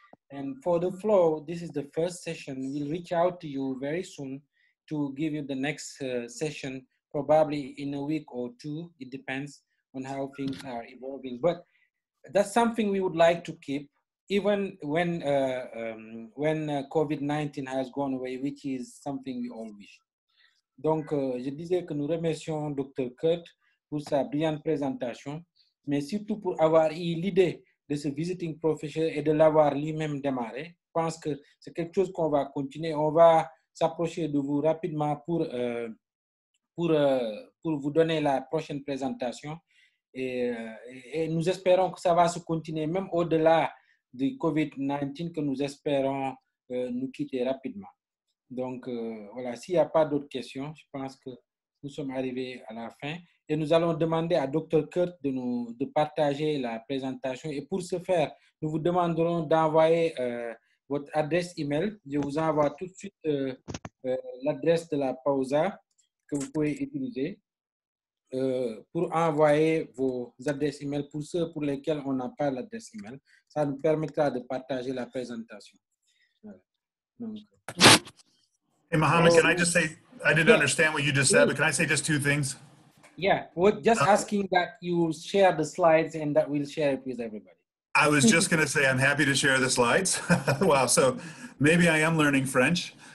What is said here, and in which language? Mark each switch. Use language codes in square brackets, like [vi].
[en] And for the floor, this is the first session. We'll reach out to you very soon to give you the next session, probably in a week or two. It depends on how things are evolving. But that's something we would like to keep, even when COVID-19 has gone away, which is something we all wish. [fr] Donc, je disais que nous remercions Dr. Kurt pour sa brillante présentation, mais surtout pour avoir eu l'idée de ce visiting professor et de l'avoir lui-même démarré. Je pense que c'est quelque chose qu'on va continuer. On va s'approcher de vous rapidement pour vous donner la prochaine présentation. Et nous espérons que ça va se continuer même au-delà du COVID-19 que nous espérons nous quitter rapidement. Donc, voilà, s'il n'y a pas d'autres questions, je pense que nous sommes arrivés à la fin. Et nous allons demander à Dr. Kurt de partager la présentation. Et pour ce faire, nous vous demanderons d'envoyer votre adresse email. Je vous envoie tout de suite l'adresse de la PAUSA que vous pouvez utiliser pour envoyer vos adresses email pour ceux pour lesquels on n'a pas l'adresse email. Ça nous permettra de partager la présentation. [en] Donc, hey, Mohammed, can I just say, I didn't understand what you just said, but can I say just two things? Yeah, we're just asking that you share the slides and that we'll share it with everybody. I was just going to say I'm happy to share the slides. Wow, so maybe I am learning French.